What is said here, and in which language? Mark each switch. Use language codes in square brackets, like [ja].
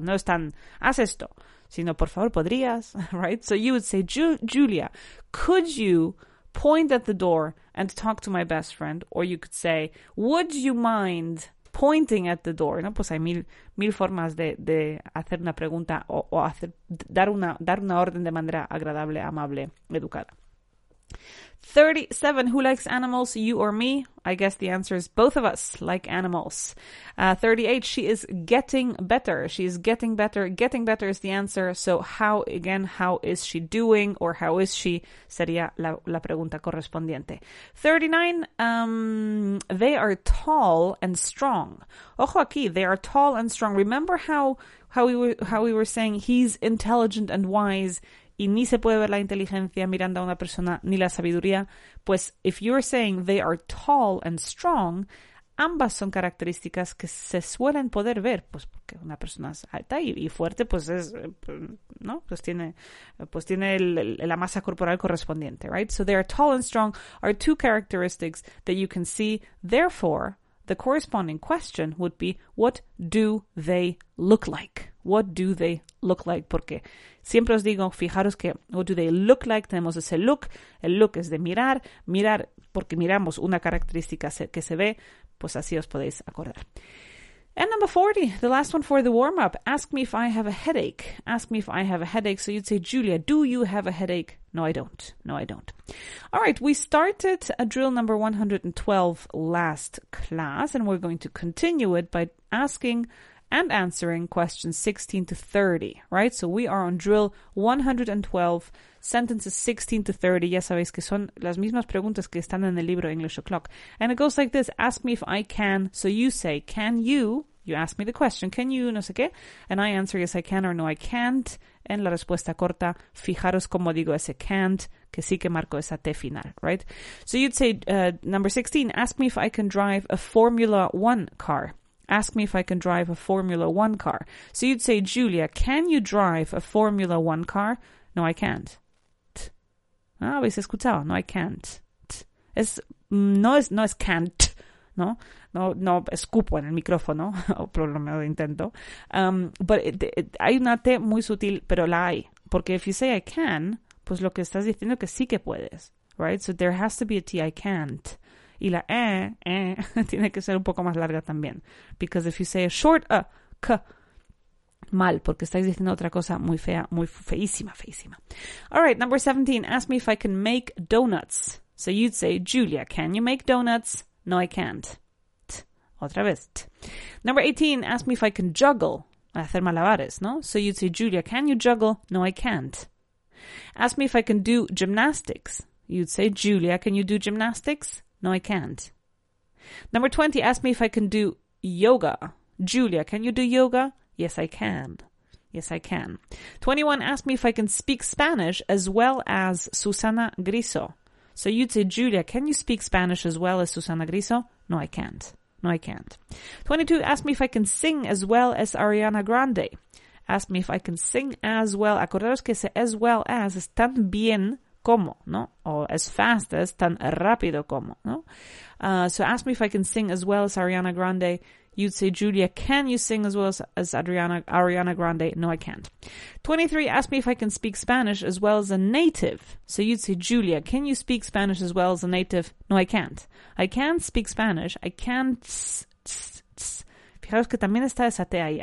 [es] No es tan, haz esto, sino, por favor, podrías, right? [en] So you would say, Julia, could you point at the door and talk to my best friend? Or you could say, would you mind pointing at the door, [es] ¿no? Pues hay mil formas de hacer una pregunta o dar una orden de manera agradable, amable, educada. [en] 37. Who likes animals, you or me? I guess the answer is both of us like animals. 38. She is getting better. She is getting better. Getting better is the answer. So how is she doing, or how is she? [es] Sería la pregunta correspondiente. [en] 39. They are tall and strong. [es] Ojo aquí. [en] They are tall and strong. Remember how we were saying he's intelligent and wise. [es] Y ni se puede ver la inteligencia mirando a una persona, ni la sabiduría. Pues, [en] if you're saying they are tall and strong, [es] ambas son características que se suelen poder ver. Pues, porque una persona es alta y fuerte, pues es, ¿no? Pues tiene la masa corporal correspondiente, right? [en] So, they are tall and strong are two characteristics that you can see. Therefore, the corresponding question would be, what do they look like? What do they look like? [es] Porque siempre os digo, fijaros que [en] what do they look like? [es] Tenemos ese look. El look es de mirar. Mirar porque miramos una característica que se ve. Pues así os podéis acordar. [en] And number 40, the last one for the warm-up. Ask me if I have a headache. Ask me if I have a headache. So you'd say, Julia, do you have a headache? No, I don't. No, I don't. All right, we started a drill number 112 last class, and we're going to continue it by asking and answering questions 16 to 30, right? So we are on drill 112, sentences 16 to 30. [es] Ya sabéis que son las mismas preguntas que están en el libro English O'Clock. [en] And it goes like this. Ask me if I can. So you say, can you? You ask me the question. Can you? [es] No sé qué. [en] And I answer, yes, I can, or no, I can't. [es] En la respuesta corta, fijaros cómo digo ese can't, que sí que marco esa T final, right? [en] So you'd say, number 16, ask me if I can drive a Formula One car. Ask me if I can drive a Formula One car. So you'd say, Julia, can you drive a Formula One car? No, I can't. [es] Ah, habéis escuchado. [en] No, I can't. [es] No es can't, ¿no? No escupo en el micrófono, o por lo menos intento. But hay una T muy sutil, pero la hay. Porque [en] if you say I can, [es] pues lo que estás diciendo es que sí que puedes, right? [en] So there has to be a T, I can't. [es] Y la tiene que ser un poco más larga también. [en] Because if you say a short k, [es] mal, porque estáis diciendo otra cosa muy fea, muy feísima, feísima. [en] All right, number 17, ask me if I can make donuts. So you'd say, Julia, can you make donuts? No, I can't. [es] Otra vez. [en] Number 18, ask me if I can juggle. [es] Hacer malabares, ¿no? [en] So you'd say, Julia, can you juggle? No, I can't. Ask me if I can do gymnastics. You'd say, Julia, can you do gymnastics? No, I can't. Number 20, ask me if I can do yoga. Julia, can you do yoga? Yes, I can. Yes, I can. 21, ask me if I can speak Spanish as well as Susana Griso. So you'd say, Julia, can you speak Spanish as well as Susana Griso? No, I can't. No, I can't. 22, ask me if I can sing as well as Ariana Grande. Ask me if I can sing as well. [es] Acordaros que ese as well as es tan bien como, ¿no? O as fast as, tan rápido como, ¿no? [en] So ask me if I can sing as well as Ariana Grande. You'd say, Julia, can you sing as well as Ariana Grande? No, I can't. 23, ask me if I can speak Spanish as well as a native. So you'd say, Julia, can you speak Spanish as well as a native? No, I can't. I can speak Spanish. I can't... [es] Fijaros que también está esa T ahí.